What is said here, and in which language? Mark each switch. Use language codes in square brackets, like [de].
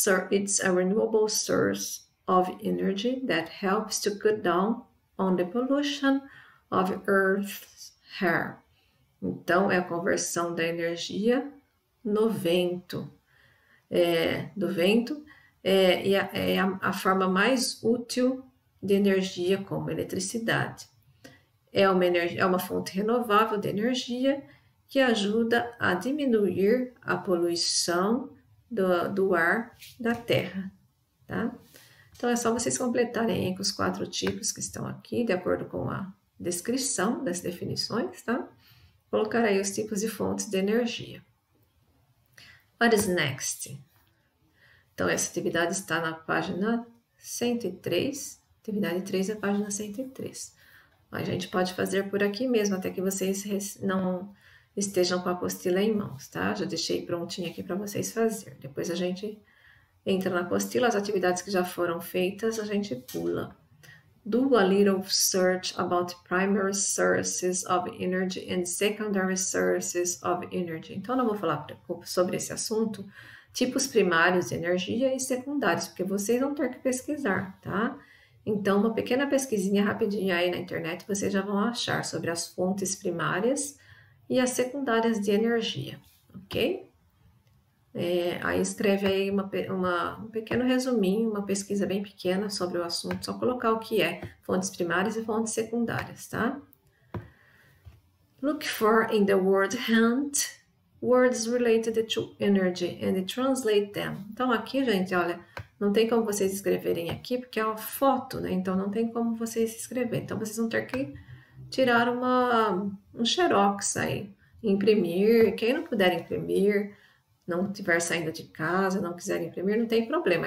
[en] It's a renewable source of energy that helps to cut down on the pollution of Earth's air. [pt] Então, é a conversão da energia no vento. Do vento é a forma mais útil de energia como eletricidade. É uma fonte renovável de energia que ajuda a diminuir a poluição do ar da Terra, tá? Então é só vocês completarem aí com os quatro tipos que estão aqui, de acordo com a descrição das definições, tá? Colocar aí os tipos de fontes de energia. [en] What is next? [pt] Então essa atividade está na página 103, atividade 3 é a página 103. Mas a gente pode fazer por aqui mesmo, até que vocês não estejam com a apostila em mãos, tá? Já deixei prontinha aqui para vocês fazer. Depois a gente entra na apostila, as atividades que já foram feitas, a gente pula. [en] Do a little search about primary sources of energy and secondary sources of energy. [pt] Então, não vou falar sobre esse assunto, tipos primários de energia e secundários, porque vocês vão ter que pesquisar, tá? Então, uma pequena pesquisinha rapidinha aí na internet, vocês já vão achar sobre as fontes primárias e as secundárias de energia, ok? Aí escreve aí um pequeno resuminho, uma pesquisa bem pequena sobre o assunto, só colocar o que é fontes primárias e fontes secundárias, tá? [en] Look for in the word hunt words related to energy and translate them. [pt] Então, aqui, gente, olha, não tem como vocês escreverem aqui porque é uma foto, né? Então, não tem como vocês escreverem. Então, vocês vão ter que tirar um xerox aí, imprimir. Quem não puder imprimir, não tiver saindo de casa, não quiser imprimir, não tem problema.